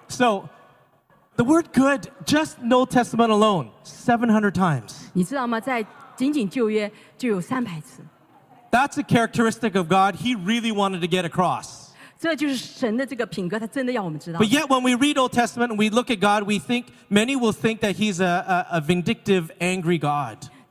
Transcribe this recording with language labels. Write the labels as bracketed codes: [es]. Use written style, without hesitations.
[en] So, the word good, just in Old Testament alone, 700 times. [zh] 你知道吗?在仅仅旧约就有300次. [en] That's a characteristic of God he really wanted to get across. [zh] 这就是神的这个品格, 他真的要我们知道. [en] But yet when we read Old Testament and we look at God, we think, many will think that he's a vindictive, angry God.